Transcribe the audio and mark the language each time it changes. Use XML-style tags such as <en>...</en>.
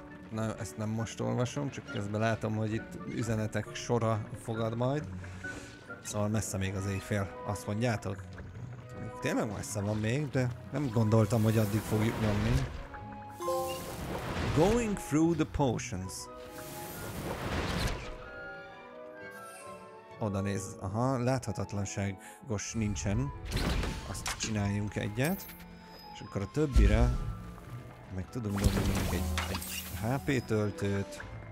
<hu>Na, ezt nem most olvasom, csak közben látom, hogy itt üzenetek sora fogad majd. Szóval messze még az éjfél, azt mondjátok? Tényleg messze van még, de nem gondoltam, hogy addig fogjuk nyomni.</hu> <en>Going through the potions.</en> <hu>Oda néz, aha, láthatatlanságos nincsen. Azt csináljunk egyet. És akkor a többire meg tudunk dobni egy HP töltőt.</hu>